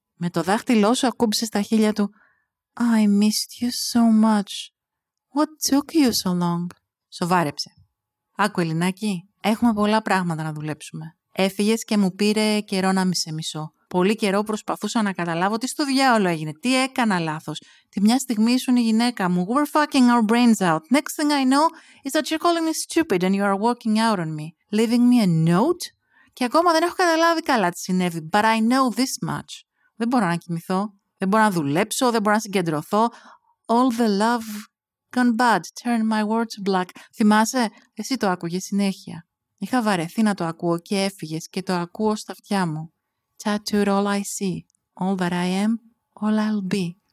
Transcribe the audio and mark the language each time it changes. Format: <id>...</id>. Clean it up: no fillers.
<el>Με το δάχτυλό σου ακούμπησες τα χείλια του.</el> <en>I missed you so much. What took you so long?</en> <el>Σοβάρεψε. Άκου, Ελληνάκη, έχουμε πολλά πράγματα να δουλέψουμε. Έφυγες και μου πήρε καιρό να μισε μισό. Πολύ καιρό προσπαθούσα να καταλάβω τι στο διάολο έγινε, τι έκανα λάθος. Τη μια στιγμή ήσουν η γυναίκα μου.</el> <en>We're fucking our brains out. Next thing I know is that you're calling me stupid and you are walking out on me, leaving me a note.</en> <el>Και ακόμα δεν έχω καταλάβει καλά τι συνέβη,</el> <en>but I know this much.</en> <el>Δεν μπορώ να κοιμηθώ, δεν μπορώ να δουλέψω, δεν μπορώ να συγκεντρωθώ.</el> <en>All the love gone bad, turn my words black.</en> <el>Θυμάσαι, εσύ το άκουγες συνέχεια. Είχα βαρεθεί να το ακούω και έφυγες και το ακούω στα αυτιά μου.</el> <en>Tattooed all I see, all that I am, all I'll be,</en>